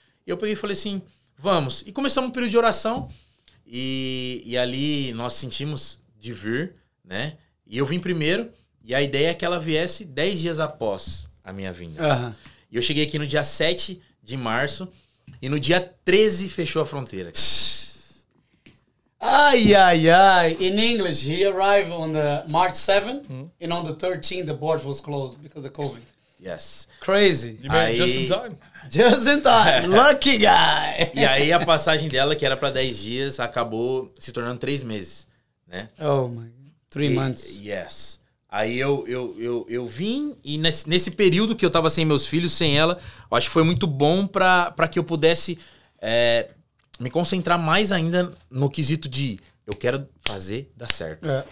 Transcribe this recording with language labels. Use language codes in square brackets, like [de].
[pt] E eu peguei e falei assim, vamos. E começamos um período de oração. E ali nós sentimos de vir, né? E eu vim primeiro, e a ideia é que ela viesse 10 dias após a minha vinda. Uhum. E eu cheguei aqui no dia 7 de março e no dia 13 fechou a fronteira. Ai, ai, ai. [en] In English, he arrived on the March 7th and on the 13th the border was closed because of COVID. Yes. Crazy. You made it just in time. Just in time. Lucky guy. [pt] E aí a passagem dela, que era pra 10 dias, acabou se tornando 3 meses, né? [en] Oh, my God. 3 months. Yes. [pt] Aí eu vim e nesse período que eu tava sem meus filhos, sem ela, eu acho que foi muito bom pra que eu pudesse me concentrar mais ainda no quesito de eu quero fazer dar certo. É.